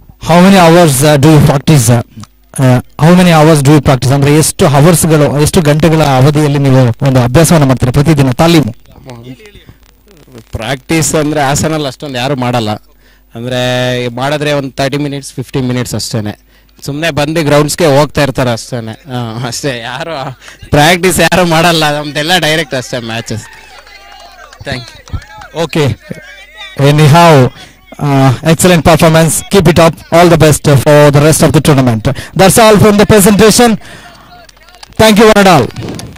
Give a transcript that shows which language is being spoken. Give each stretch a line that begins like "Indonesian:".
English: How many hours do you practice?
Kannada: ಅಂದ್ರೆ ಎಷ್ಟು ಅವರ್ಸ್ಗಳು, ಎಷ್ಟು ಗಂಟೆಗಳ ಅವಧಿಯಲ್ಲಿ ನೀವು ಒಂದು ಅಭ್ಯಾಸವನ್ನು ಮಾಡ್ತೀರಿ ಪ್ರತಿದಿನ ತಾಲೀಮು? ಪ್ರಾಕ್ಟೀಸ್ ಅಂದರೆ ಆಸನಲ್ಲಿ ಅಷ್ಟೊಂದು ಯಾರು ಮಾಡಲ್ಲ, ಅಂದರೆ ಮಾಡಿದ್ರೆ ಒಂದು 30 minutes, 15 minutes ಅಷ್ಟೇ. ಸುಮ್ಮನೆ ಬಂದು ಗ್ರೌಂಡ್ಸ್ಗೆ ಹೋಗ್ತಾ ಇರ್ತಾರೆ ಅಷ್ಟೇ. ಅಷ್ಟೇ, ಯಾರು ಪ್ರಾಕ್ಟೀಸ್ ಯಾರು ಮಾಡಲ್ಲ, ನಮ್ದೆಲ್ಲ ಡೈರೆಕ್ಟ್ ಅಷ್ಟೇ matches.
English: Thank you. Okay, anyhow, excellent performance, keep it up, all the best for the rest of the tournament. That's all from the presentation. Thank you one and all.